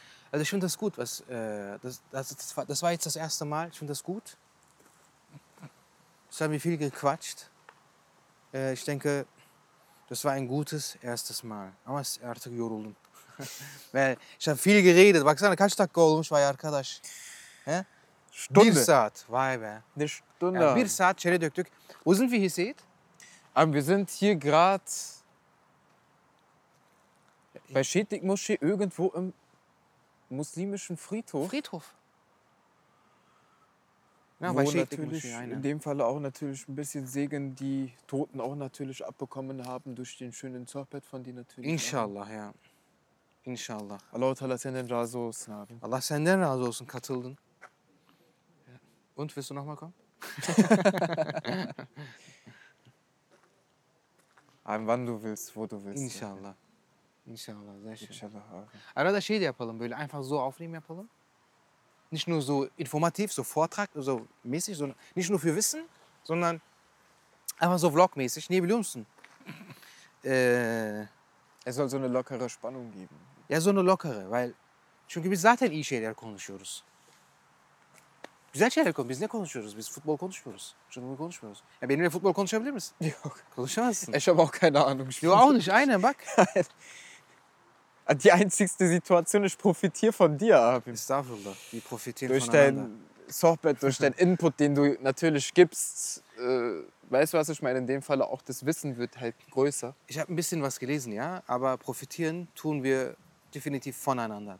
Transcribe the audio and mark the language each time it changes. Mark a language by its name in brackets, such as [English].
[German] Also ich finde das gut, das war jetzt das erste Mal, ich finde das gut. Es haben wir viel gequatscht. Ich denke, das war ein gutes erstes Mal. [Turkish] Ama artık yoruldum. [German] Weil ich habe viel geredet. [Turkish] Baksana kaç dakika olmuş vay arkadaş. Stunde. Bir saat. Vay be. [German] Eine Stunde. Ja, [Turkish] bir saat çene döktük. [German] Wo sind wir hier seht? Wir sind hier gerade bei Şedik Moschee irgendwo im muslimischen Friedhof. Friedhof. Ja, wo natürlich in dem Fall auch natürlich ein bisschen Segen die Toten auch natürlich abbekommen haben durch den schönen Sohbet von dir natürlich. Inshallah, ja. Inshallah. [Turkish] Allah Teala senden razı olsun abi. Allah senden razı olsun, katıldın. [German] Und, willst du nochmal kommen? Abi, wann du willst, wo du willst. Inshallah. Ja. Inshallah, sehr schön. [Turkish] Inshallah, abi. Arada şey de yapalım, böyle [German] einfach so aufnehmen [Turkish] yapalım. [German] Nicht nur so informativ, so Vortrag, so mäßig, sondern nicht nur für Wissen, sondern Einfach so vlogmäßig, Nebel Jungsen. Es soll so eine lockere Spannung geben. Ja, so eine lockere, weil [Turkish] çünkü biz zaten iyi şeyler konuşuyoruz. Güzel şeyler konuşuyoruz. Biz ne konuşuyoruz? Biz futbol konuşmuyoruz. Canımı konuşmuyoruz. Ya benimle futbol konuşabilir misin? Yok. Konuşamazsın. [German] Eşem auch keine Ahnung. Yo, auch nicht. [Turkish] Aynen bak. [German] Die einzigste Situation, ich profitiere von dir, abi. Estağfurullah. Wir profitieren durch voneinander. Durch dein Sohbet, durch deinen Input, den du natürlich gibst, weißt du, was ich meine? In dem Falle auch das Wissen wird halt größer. Ich habe ein bisschen was gelesen, ja. Aber profitieren tun wir definitiv voneinander.